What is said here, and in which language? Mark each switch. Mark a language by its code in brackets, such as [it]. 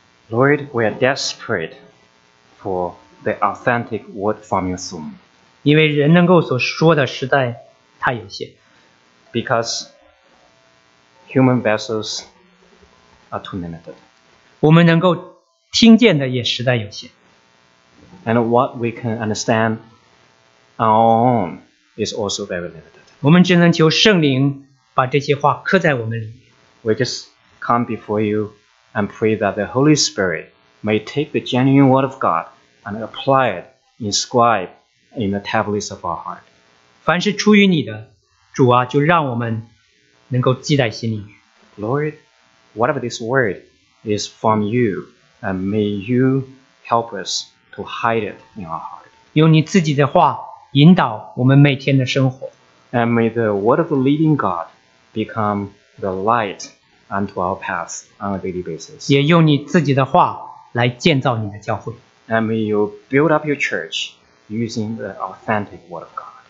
[en] Lord, we are desperate for the authentic word from you soon. [zh] 因为人能够所说的实在太有限。 [en] Because human vessels are too limited. [zh] 我们能够听见的也实在有限。 [en] And what we can understand on our own is also very limited. [zh] 我们只能求圣灵把这些话刻在我们里面。 [en] we just come before you and pray that the Holy Spirit may take the genuine word of God and apply it, inscribe in the tablets of our heart. [zh] 凡是出于你的主啊，就让我们能够记在心里。 [en] Lord, whatever this word is from you, and may you help us to hide it in our heart. [zh] 用你自己的话引导我们每天的生活。 [en] And may the word of the leading God become the light unto our path on a daily basis. [zh] 也用你自己的话来建造你的教会。 [en] And may you build up your church using the authentic word of God.